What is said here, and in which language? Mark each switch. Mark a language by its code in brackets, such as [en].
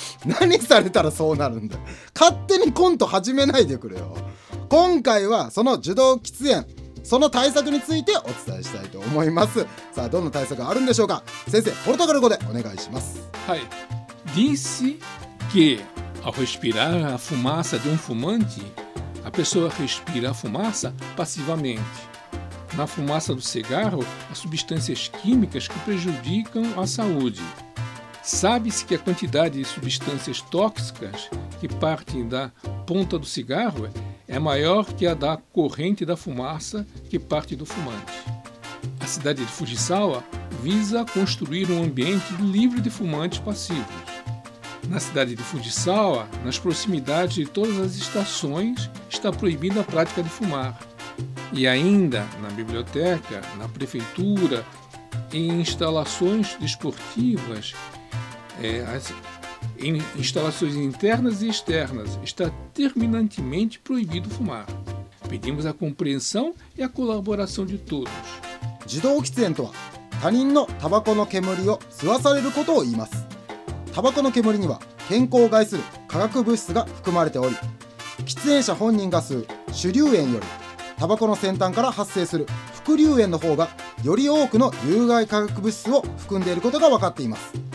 [ja] 何されたらそうなるんだよ。勝手にコント始めないでくれよ。今回はその受動喫煙、その対策についてお伝えしたいと思います。さあ、どんな対策があるんでしょうか。先生、ポルトガル語でお願いします。はい。 [pt] Diz que ao respirar a fumaça de fumante, a pessoa respira a fumaça passivamente. Na fumaça do cigarro, há substâncias químicas que prejudicam a saúde. Sabe-se que a quantidade de substâncias tóxicas que partem da ponta do cigarro é maior que a da corrente da fumaça que parte do fumante. A cidade de Fujisawa visa construir um ambiente livre de fumantes passivos. Na cidade de Fujisawa, nas proximidades de todas as estações, está proibida a prática de fumar. E ainda, na biblioteca, na prefeitura, em instalações desportivas, em instalações internas e externas, está terminantemente proibido fumar. Pedimos a compreensão e a colaboração de todos. [ja] 自動喫煙とは、他人のタバコの煙を吸わされることを言います。タバコの煙には健康を害する化学物質が含まれており、喫煙者本人が吸う主流煙よりタバコの先端から発生する副流煙の方がより多くの有害化学物質を含んでいることが分かっています。